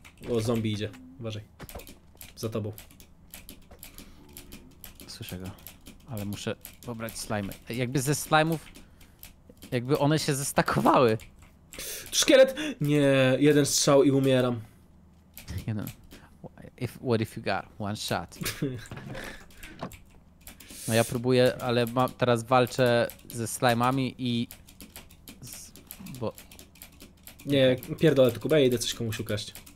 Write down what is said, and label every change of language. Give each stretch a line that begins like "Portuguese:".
Polish: O, zombie idzie, uważaj. Za tobą. Słyszę go. Ale muszę pobrać slimy. Jakby ze slimów... Jakby one się zestakowały. Szkielet! Nie, jeden strzał i umieram.
English: You know, if, what if you got one shot?
Polish: No ja próbuję, ale teraz walczę ze slimami i... Nie, pierdolę tylko, bo ja idę coś komuś ukraść.